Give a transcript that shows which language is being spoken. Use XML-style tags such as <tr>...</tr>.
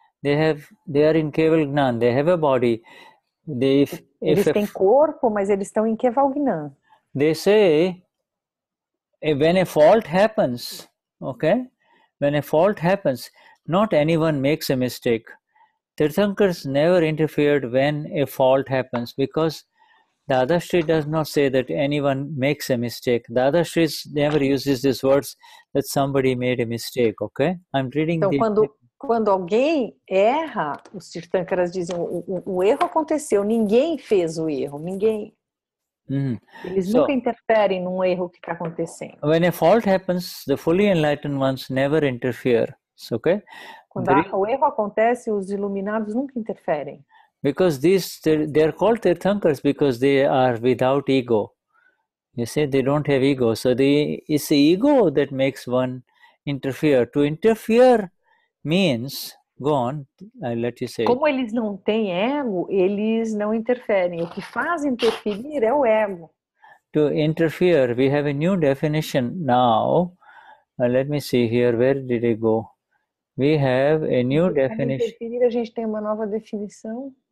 <en>They are in Keval Gnan, they have a body. They,</en> <pt>eles têm corpo, mas eles estão em Keval Gnan.</pt> <en>They say, when a fault happens, okay? When a fault happens, not anyone makes a mistake. Tirthankars never interfered when a fault happens because Dadashri does not say that anyone makes a mistake. Dadashri never uses these words that somebody made a mistake, okay? I'm reading</en> <pt>então, quando alguém erra, os Tirthankaras dizem, o erro aconteceu, ninguém fez o erro, ninguém. Mm-hmm. Eles nunca interferem num erro que está acontecendo.</pt> <en>When a fault happens, the fully enlightened ones never interfere, okay?</en> <pt>Quando o erro acontece, os iluminados nunca interferem.</pt> <en>Because these, they are called Tirthankars because they are without ego. You see, they don't have ego. So it's the ego that makes one interfere. To interfere means, go on, I'll let you say.</en> <pt>Como eles não têm ego, eles não interferem. O que faz interferir é o ego.</pt> <en>To interfere, we have a new definition now. Let me see here, where did it go? We have a new definition.</en> <pt>Para interferir, a gente tem uma nova definição.</pt>